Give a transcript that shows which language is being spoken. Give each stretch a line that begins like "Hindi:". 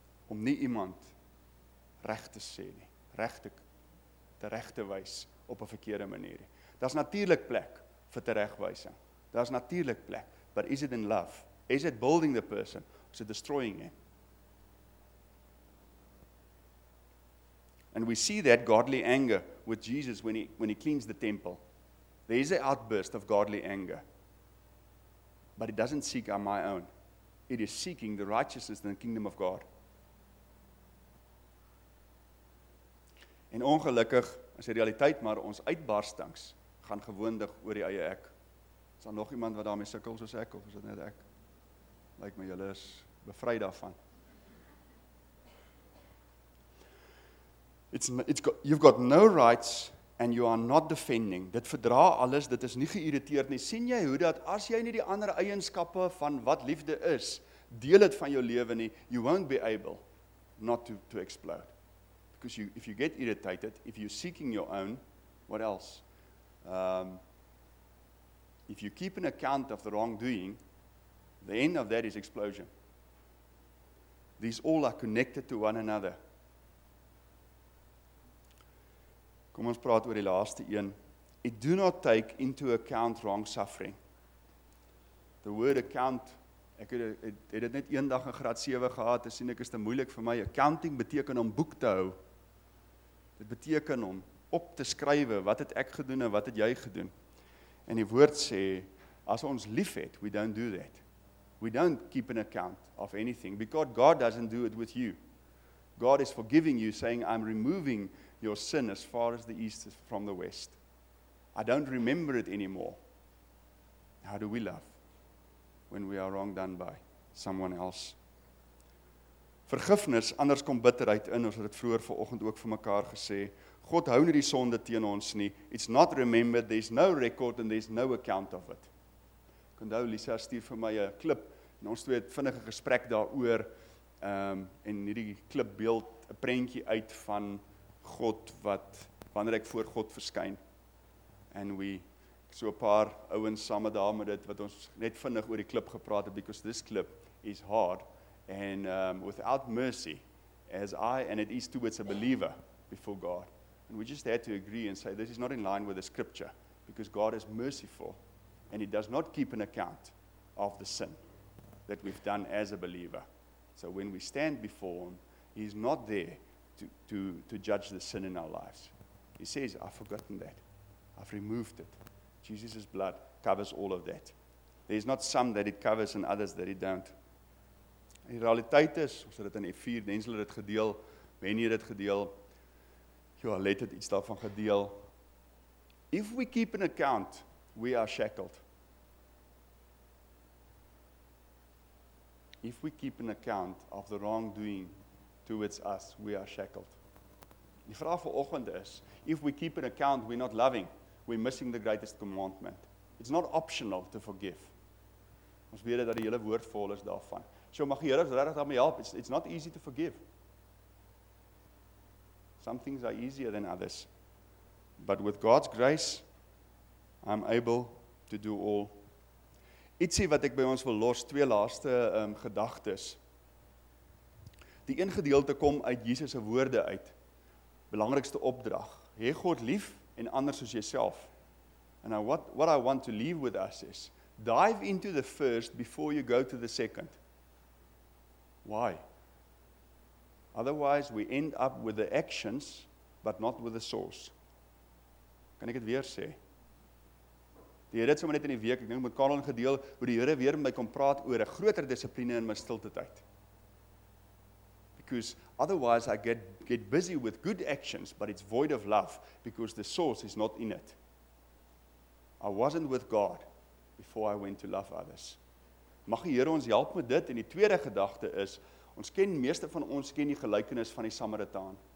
Afrikaans: Om nie iemand reg te sê nie, reg te wys op 'n verkeerde manier. Daar's natuurlik plek vir teregwysing. Daar's natuurlik plek,
English: but is it in love? Is it building the person or is it destroying him? And we see that godly anger with Jesus when he cleans the temple. There is an outburst of godly anger. But it doesn't seek on my own. It is seeking the righteousness and the kingdom of God.
Afrikaans: En ongelukkig, is die realiteit, maar ons uitbarstings gaan gewoonlik oor die eie ek. Is daar nog iemand wat daarmee sukkel soos ek, of is dit net ek? Lyk my julle is bevry daarvan.
English: You've got no rights and you are not defending.
Afrikaans: Dit verdra alles, dit is nie geïrriteerd nie. Sien jy hoe dat as jy nie die ander eienskappe van wat liefde is, deel het van jou lewe nie,
English: you won't be able not to explode. Because if you get irritated, if you're seeking your own, what else? If you keep an account of the wrongdoing, the end of that is explosion. These all are connected to one another.
Afrikaans: Kom ons praat oor die laaste een.
English: It do not take into account wrong suffering. The word account,
Afrikaans: ek het dit net eendag in graad 7 gehad, en sien ek is te moeilik vir my. Accounting beteken om boek te hou. Dit beteken om op te skrywe, wat het ek gedoen en wat het jy gedoen. En die woord sê, as ons lief het,
English: we don't do that. We don't keep an account of anything, because God doesn't do it with you. God is forgiving you, saying, I'm removing your sin as far as the east is from the west. I don't remember it anymore. How do we love when we are wrong done by someone else?
Afrikaans: Vergifnis, anders kom bitterheid in, ons het dit vroeër vanoggend ook vir mekaar gesê. God hou nie die sonde teen ons nie.
English: It's not remembered, there's no record and there's no account of it.
Afrikaans: Ek onthou Lisa stuur vir my 'n klip en ons twee het vinnige gesprek daaroor en hierdie klip beeld 'n prentjie uit van God wat wanneer ek voor God verskyn. En we so 'n paar ouens saam met daar met dit wat ons net vinnig oor die klip gepraat het,
English: because this clip is hard and without mercy as I and it is towards a believer before God. And we just had to agree and say this is not in line with the scripture because God is merciful and he does not keep an account of the sin that we've done as a believer. So when we stand before him, he's not there to judge the sin in our lives. He says, I've forgotten that. I've removed it. Jesus' blood covers all of that. There's not some that it covers and others that it don't.
Afrikaans: Die realiteit is, ons het dit in F4, Denzel het dit gedeel, Benny het dit gedeel, Jolette het iets daarvan gedeel.
English: If we keep an account, we are shackled. If we keep an account of the wrongdoing towards us, we are shackled.
Afrikaans: Die vraag vir oggend is,
English: if we keep an account, we're not loving. We're missing the greatest commandment. It's not optional to forgive.
Afrikaans: Ons weet dat die hele woord vol is daarvan. So mag die Here ons regtig daarmee help.
English: It's not easy to forgive. Some things are easier than others. But with God's grace, I'm able to do all.
Afrikaans: Ietsie wat ek by ons wil los, twee laaste gedagtes. Die een gedeelte kom uit Jesus se woorde uit. Belangrikste opdrag. Hê God lief en ander soos jouself.
English: And what I want to leave with us is, dive into the first before you go to the second. Why? Otherwise we end up with the actions, but not with the source.
Afrikaans: Kan ek dit weer sê? Die Here het sommer net in die week, ek dink met Karel gedeel, hoe die Here weer met my kom praat oor 'n groter dissipline in my stilte tyd.
English: Because otherwise I get busy with good actions, but it's void of love, because the source is not in it. I wasn't with God before I went to love others.
Afrikaans: Mag die Here ons help met dit, en die tweede gedagte is, ons ken, meeste van ons ken die gelykenis van die Samaritaan.